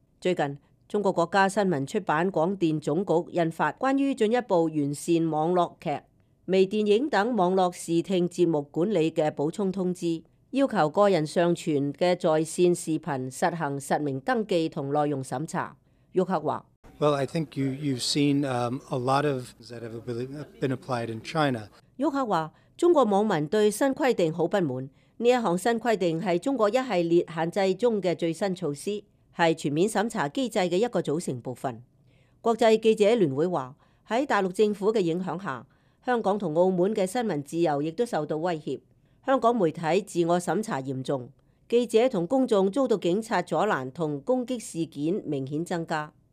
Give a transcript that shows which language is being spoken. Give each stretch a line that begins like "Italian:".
Chinese: 最近，中国国家新闻出版广电总局印发关于进一步完善网络剧、微电影等网络视听节目管理的补充通知，要求个人上传的在线视频实行实名登记和内容审查。玉克说，
English: Well, I think you've seen a lot of that have been applied in China.
Chinese: 玉克说，中国网民对新规定很不满，这一项新规定是中国一系列限制中的最新措施，是全面审查机制的一个组成部分。国际记者联会说，在大陆政府的影响下，香港和澳门的新闻自由也受到威胁，香港媒体自我审查严重，记者和公众遭到警察阻拦和攻击事件明显增加。